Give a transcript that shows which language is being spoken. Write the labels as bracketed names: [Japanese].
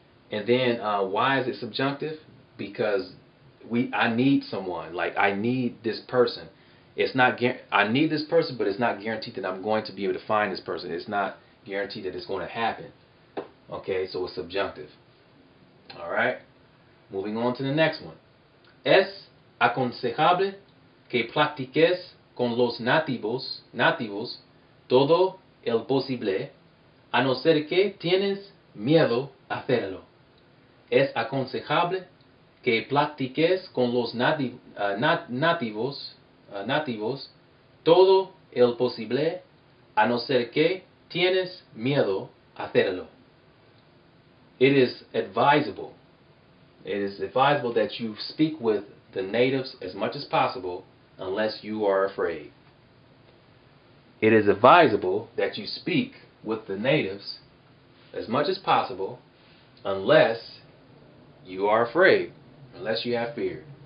[English] And then, why is it subjunctive? Because I need someone. Like, I need this person. It's not, I need this person, but it's not guaranteed that I'm going to be able to find this person. It's not guaranteed that it's going to happen. Okay, so it's subjunctive. All right, moving on to the next one. [Spanish] Es aconsejable que practiques con los nativos todo el posible, a no ser que tienes miedo a hacerlo. Es aconsejable que practiques con los nativos todo el posible, a no ser que tienes miedo a hacerlo. [English] It is advisable. It is advisable that you speak with the natives as much as possible unless you are afraid. It is advisable that you speak with the natives as much as possible unless you are afraid, unless you have fear.